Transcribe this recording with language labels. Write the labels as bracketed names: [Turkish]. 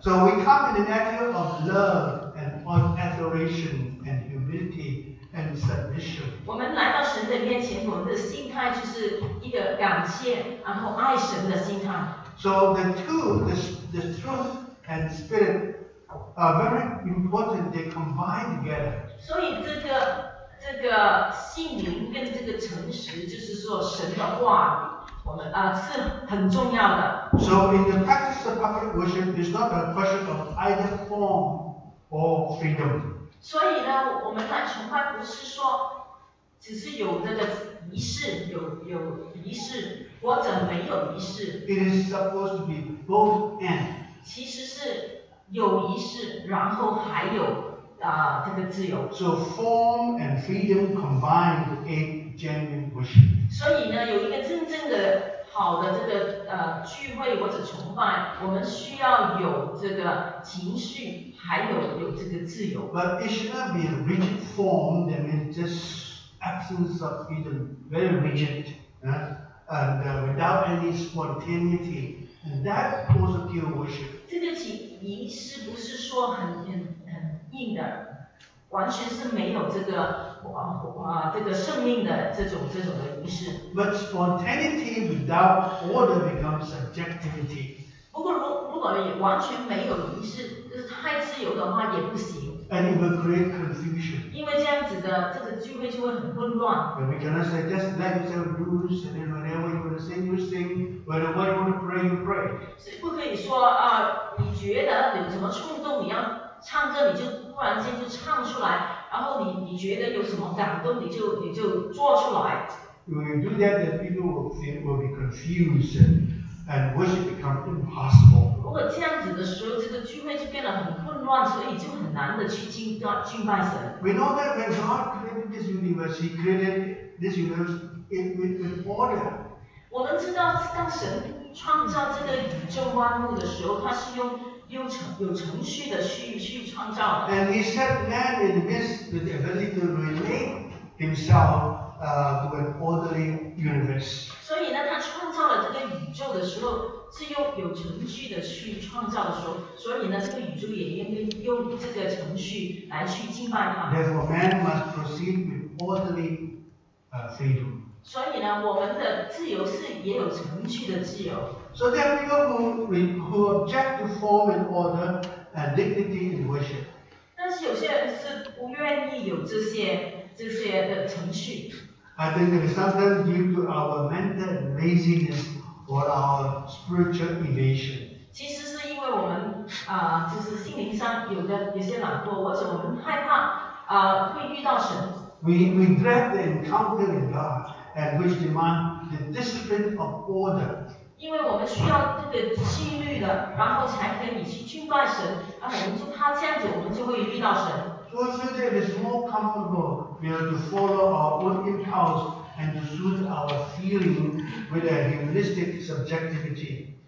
[English] So we come in an attitude of love and of adoration. And submission. [Chinese] 我们来到神的面前，我们的心态就是一个感谢，然后爱神的心态。 [English] So the two, the truth and spirit are very important. They combine together. [Chinese] 所以这个信灵跟这个诚实，就是说神的话语，我们是很重要的。 [English] So in the practice of public worship, it's not a question of either form or freedom. [Chinese] 所以呢，我们来崇拜不是说只是有这个仪式，有仪式，或者没有仪式。 [English] It is supposed to be both and. [Chinese] 其实是有仪式，然后还有这个自由。 [English] So form and freedom combined to a genuine worship. [Chinese] 所以呢，有一个真正的好的这个聚会或者崇拜，我们需要有这个情绪，还有这个自由。 [English] But it should not be a rigid form that means just absence of freedom, very rigid, and without any spontaneity. And that causes pure worship. [Chinese] 这个仪式不是说很硬的，完全是没有这个这个生命的这种的仪式。 [English] But spontaneity without order becomes subjectivity. [Chinese] 不过如果完全没有仪式，就是太自由的话也不行。 [English] And it will create confusion. [Chinese] 因为这样子的这个聚会就会很混乱。 [English] And we cannot say just let yourself loose and then whenever you want to sing you sing, whenever you want to pray you pray. [Chinese] 所以不可以说你觉得有什么冲动，你要唱歌你就忽然间就唱出来，然后你觉得有什么感动你就做出来。 [English] When you do that, the people will be confused and worship becomes impossible. [Chinese] 如果这样子的时候，这个聚会就变得很混乱，所以就很难的去敬拜神。 [English] We know that when God created this universe, He created this universe in order. [Chinese] 我们知道，当神创造这个宇宙万物的时候，他是用有程序的去创造。 [English] And he set man in the midst with the ability to relate himself to an orderly universe. [Chinese] 所以呢，他创造了这个宇宙的时候，是用有程序的去创造的时候，所以呢，这个宇宙也用这个程序来去敬拜他。 [English] Therefore, man must proceed with orderly freedom. [Chinese] 所以呢，我们的自由是也有程序的自由。 [English] So there are people who object to form and order and dignity in worship. [Chinese] 但是有些人是不愿意有这些的程序。 [English] I think that sometimes due to our mental laziness or our spiritual evasion. [Chinese] 其实是因为我们就是心灵上有些懒惰，或者我们害怕会遇到神。 [English] We dread the encounter with God and which demand the discipline of order. [Chinese] 因为我们需要这个纪律的，然后才可以去敬拜神，然后我们就怕这样子，我们就会遇到神。 [English] So today it's more comfortable we have to follow our own impulse and to soothe our feeling with a humanistic subjectivity.